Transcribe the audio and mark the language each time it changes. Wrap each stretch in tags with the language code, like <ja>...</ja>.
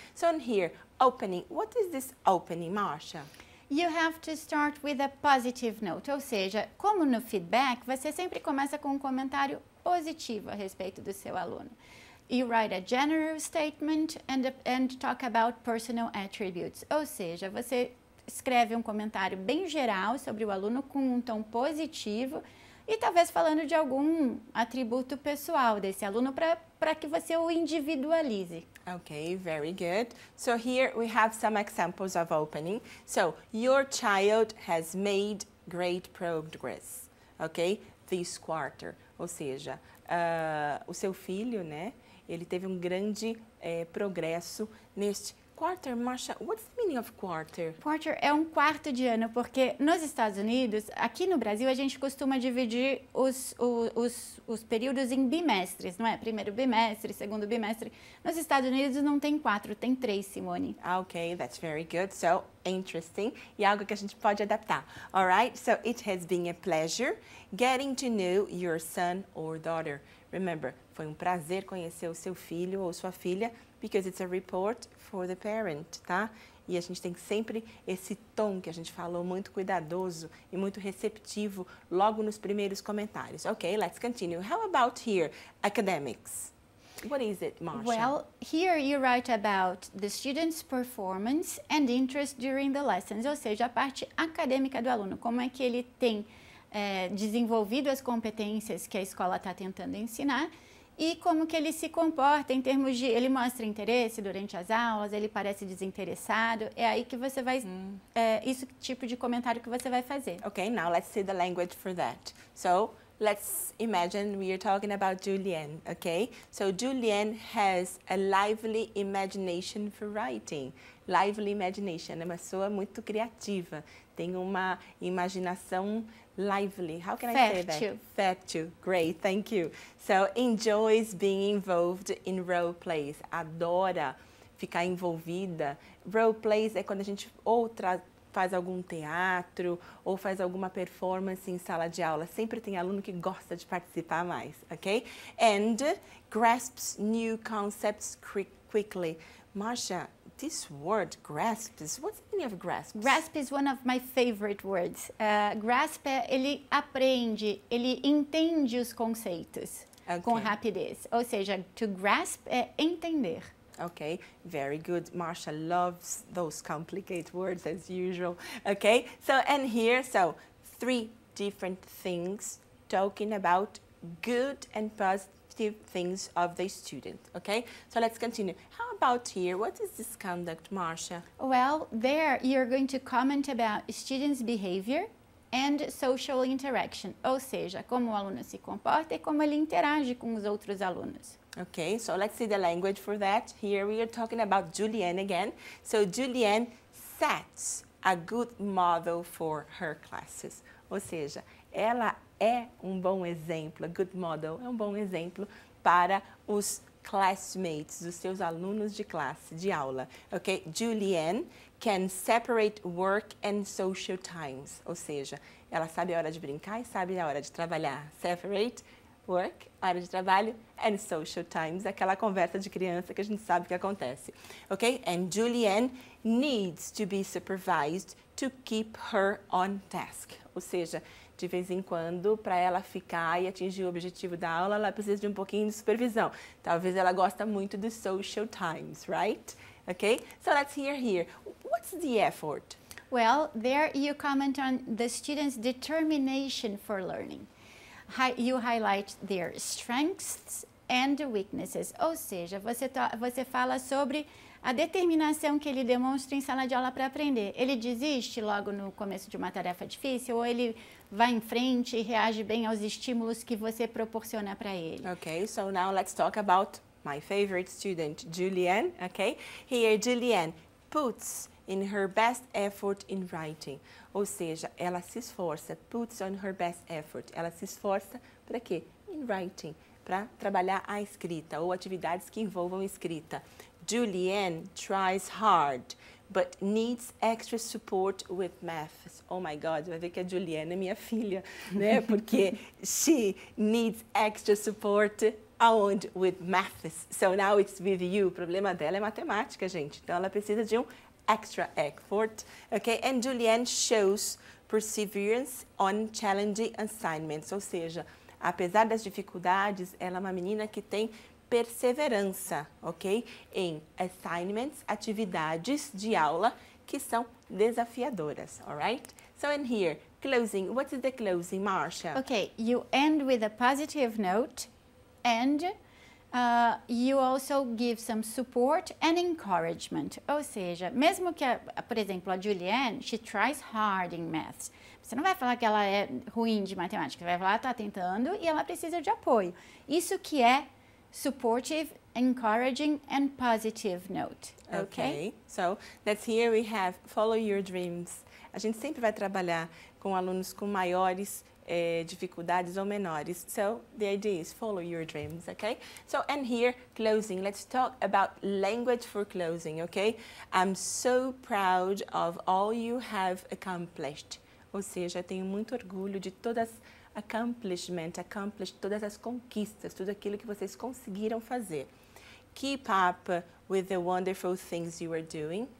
<en>So in here, opening, what is this opening, Marcia? You have to start with a positive note,</en> <pt>ou seja, como no feedback, você sempre começa com um comentário positivo a respeito do seu aluno.</pt> <en>You write a general statement and talk about personal attributes.</en> <pt>Ou seja, você escreve um comentário bem geral sobre o aluno com um tom positivo e talvez falando de algum atributo pessoal desse aluno para que você o individualize.</pt> <en>Okay, very good. So here we have some examples of opening. So, your child has made great progress, okay, this quarter.</en> <pt>Ou seja, o seu filho, né? Ele teve um grande progresso neste quarter.</pt> <en>Marcia, what's the meaning of quarter?</en> <pt>Quarter é um quarto de ano, porque nos Estados Unidos, aqui no Brasil, a gente costuma dividir os períodos em bimestres, não é? Primeiro bimestre, segundo bimestre. Nos Estados Unidos não tem quatro, tem três, Simone.</pt> <en>Okay, that's very good. So, interesting.</en> <pt>E algo que a gente pode adaptar.</pt> <en>All right, so it has been a pleasure getting to know your son or daughter. Remember,</en> <pt>foi um prazer conhecer o seu filho ou sua filha,</pt> <en>because it's a report for the parent,</en> <pt>tá? E a gente tem sempre esse tom que a gente falou, muito cuidadoso e muito receptivo, logo nos primeiros comentários.</pt> <en>Okay, let's continue. How about here, academics? What is it, Marcia? Well, here you write about the student's performance and interest during the lessons,</en> <pt>ou seja, a parte acadêmica do aluno, como é que ele tem desenvolvido as competências que a escola está tentando ensinar, e como que ele se comporta em termos de... Ele mostra interesse durante as aulas, ele parece desinteressado. É aí que você vai... É isso tipo de comentário que você vai fazer.</pt> <en>Okay, now let's see the language for that. So, let's imagine we are talking about Julien, okay? So, Julien has a lively imagination for writing.</en> <pt>Lively imagination, é uma pessoa muito criativa. Tem uma imaginação lively.</pt> <en>How can</en> <pt>fertil.</pt> <en>I say that?</en> <pt>Fertil.</pt> <en>Great, thank you. So, enjoys being involved in role plays.</en> <pt>Adora ficar envolvida. Role plays é quando a gente faz algum teatro ou faz alguma performance em sala de aula. Sempre tem aluno que gosta de participar mais, ok?</pt> <en>And grasps new concepts quickly. Marcia, this word, grasps, what's the meaning of grasps? Grasp is one of my favorite words.</en> <pt>Grasp é, ele aprende, ele entende os conceitos com rapidez. Ou seja, to grasp é entender.</pt> <en>Okay, very good. Marcia loves those complicated words as usual. Okay, so, and here, so, three different things talking about good and positive things of the student. Okay, so let's continue. How about here? What is this conduct, Marcia? Well, there you're going to comment about students' behavior and social interaction.</en> <pt>Ou seja, como o aluno se comporta e como ele interage com os outros alunos.</pt> <en>Okay, so let's see the language for that. Here we are talking about Julien again. So Julien sets a good model for her classes.</en> <pt>Ou seja, ela é um bom exemplo,</pt> <en>a good model</en> <pt>é um bom exemplo para os classmates, os seus alunos de classe, de aula, ok?</pt> <en>Julien can separate work and social times,</en> <pt>ou seja, ela sabe a hora de brincar e sabe a hora de trabalhar.</pt> <en>Separate work,</en> <pt>hora de trabalho,</pt> <en>and social times,</en> <pt>aquela conversa de criança que a gente sabe que acontece, ok?</pt> <en>And Julien needs to be supervised to keep her on task,</en> <pt>ou seja, de vez em quando, para ela ficar e atingir o objetivo da aula, ela precisa de um pouquinho de supervisão. Talvez ela goste muito do</pt> <en>social times, right? Okay? So let's hear here. What's the effort? Well, there you comment on the student's determination for learning. You highlight their strengths and the weaknesses.</en> <pt>Ou seja, você fala sobre a determinação que ele demonstra em sala de aula para aprender. Ele desiste logo no começo de uma tarefa difícil ou ele vai em frente e reage bem aos estímulos que você proporciona para ele?</pt> <en>Okay, so now let's talk about my favorite student, Julianne. Okay, here Julianne puts in her best effort in writing.</en> <pt>Ou seja, ela se esforça,</pt> <en>puts on her best effort.</en> <pt>Ela se esforça para quê?</pt> <en>In writing,</en> <pt>para trabalhar a escrita ou atividades que envolvam escrita.</pt> <en>Julianne tries hard, but needs extra support with math. Oh my God,</en> <pt>vai ver que a Julianne é minha filha, né? Porque</pt> <en>she needs extra support and with math. So now it's with you.</en> <pt>O problema dela é matemática, gente. Então ela precisa de um</pt> <en>extra effort, okay? And Julianne shows perseverance on challenging assignments.</en> <pt>Ou seja, apesar das dificuldades, ela é uma menina que tem perseverança, ok? Em assignments, atividades de aula que são desafiadoras, alright?</pt> <en>So in here, closing, what is the closing, Marcia? Okay, you end with a positive note and you also give some support and encouragement.</en> <pt>Ou seja, mesmo que, por exemplo, a Julianne,</pt> <en>she tries hard in math.</en> <pt>Você não vai falar que ela é ruim de matemática, você vai falar que ela tá tentando e ela precisa de apoio. Isso que é</pt> <en>supportive, encouraging, and positive note. Okay? So, that's here we have follow your dreams.</en> <pt>A gente sempre vai trabalhar com alunos com maiores dificuldades ou menores.</pt> <en>So, the idea is follow your dreams, okay? So, and here, closing. Let's talk about language for closing, okay? I'm so proud of all you have accomplished.</en> <pt>Ou seja, tenho muito orgulho de todas accomplished, todas as conquistas, tudo aquilo que vocês conseguiram fazer.</pt> <en>Keep up with the wonderful things you are doing.</en>